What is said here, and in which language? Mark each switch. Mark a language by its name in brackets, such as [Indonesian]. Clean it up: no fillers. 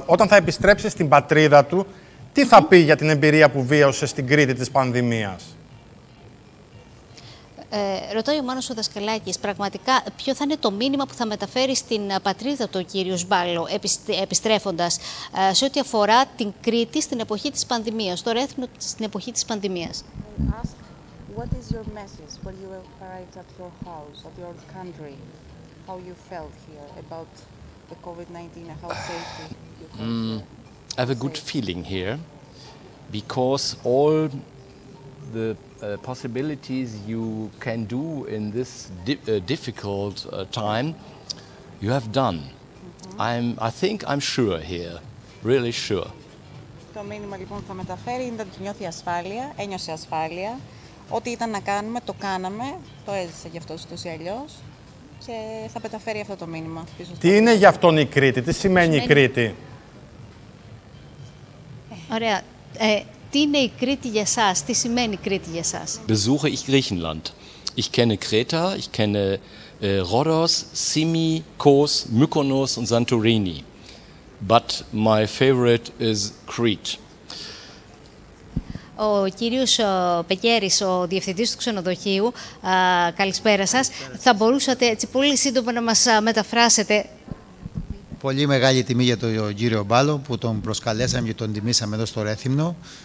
[Greek] Όταν θα επιστρέψει στην πατρίδα του, τι θα πει για την εμπειρία που βίωσε στην Κρήτη της πανδημίας. Ρωτάει ο Μάνος ο Δασκαλάκης, πραγματικά ποιο θα είναι το μήνυμα που θα μεταφέρει στην πατρίδα του ο κύριος Μπάλο επιστρέφοντας σε ό,τι αφορά την Κρήτη στην εποχή της πανδημίας, το Ρέθυμνο στην εποχή της πανδημίας. [English] What is your message when you arrived at your house, at your country? How you felt here about the COVID-19 and how safe you felt? I have a good feeling here because all the possibilities you can do in this difficult time, you have done. I'm sure here, really sure. [Greek] Το μήνυμα λοιπόν που θα μεταφέρει είναι ότι νιώθει ασφάλεια, ένιωσε ασφάλεια. Ό,τι ήταν να κάνουμε, το κάναμε, το έζησε γι' αυτό ούτως ή αλλιώς και θα μεταφέρει αυτό το μήνυμα. Τι είναι γι' αυτόν η Κρήτη, τι σημαίνει η Κρήτη. Ωραία. Τι είναι η Κρήτη για σας, τι σημαίνει η Κρήτη για σας? [German] Besuche ich Griechenland. Ich kenne Kreta, ich kenne Rhodos, Simi, Kos, Mykonos und Santorini. [English] But my favorite is Crete. [Greek] Ο κύριος Πεγέρης, ο διευθυντής του ξενοδοχείου, καλησπέρα σας. Καλησπέρα. Θα μπορούσατε έτσι πολύ σύντομα να μας μεταφράσετε? Πολύ μεγάλη τιμή για τον κύριο Μπάλο που τον προσκαλέσαμε και τον τιμήσαμε εδώ στο Ρέθυμνο.